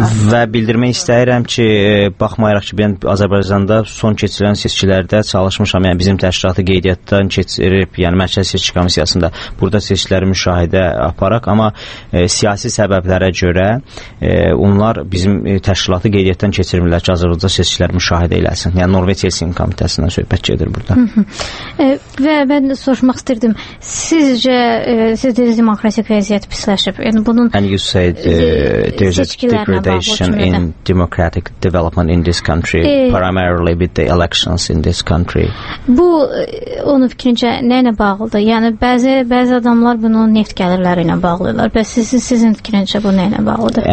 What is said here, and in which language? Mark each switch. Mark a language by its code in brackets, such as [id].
[az] Və bildirmək istəyirəm ki, baxmayaraq ki, ben Azərbaycanda son keçirilən seçkilərdə çalışmışam, yəni bizim təşkilatı qeydiyyatdan keçirib, yəni Mərkəz Seçki Komissiyasında burada seçkiləri müşahidə aparaq, amma siyasi səbəblərə görə onlar bizim təşkilatı qeydiyyatdan keçirmirlər ki, Azərbaycanda seçkiləri müşahidə eləsin. Yəni Norveç Helsinki Komitəsindən söhbət gedir burada. Və mən soruşmaq istəyirdim, sizcə siz demokratik vəziyyət pisleşib. Yəni bunun [en] And you said there's a degradation in democratic development in this country, primarily with the elections in this country. [az] Bu onun fikrincə nə ilə bağlıdır? Yəni bəzi adamlar bunu neft gəlirləri ilə bağlayırlar. Bəs sizin fikrincə bu nə ilə bağlıdır?